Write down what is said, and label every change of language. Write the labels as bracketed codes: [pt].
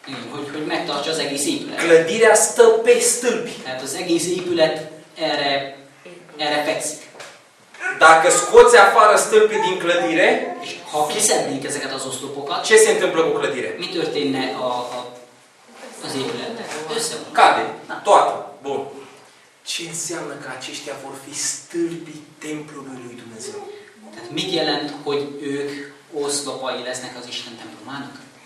[hu] Hogy megtartsa az egész épület. [ro] Clădirea stă pe stâlpi. [hu] Tehát az egész épület erre fekszik. [ro] Dacă scoți afară stâlpii din clădire, [hu] ha kiszednék ezeket az oszlopokat, [ro] ce se întâmplă cu clădire? [hu] Mi történne az épületet? Összeomlik. [ro] Cade. Toată. Bun. Ce înseamnă că aceștia vor fi stâlpii templului lui Dumnezeu? [hu] Tehát mit jelent, hogy ők oszlopai lesznek az Isten templomának?